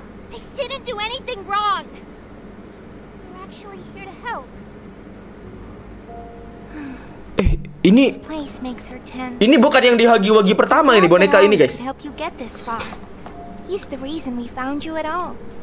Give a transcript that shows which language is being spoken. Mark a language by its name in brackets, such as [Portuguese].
[English] They didn't do anything wrong. They're actually here to help. [Indonesian] Ini ini bukan yang di Hagiwagi pertama ini, boneka ini, guys. [English] Help you get this far. He's the reason we found you at all.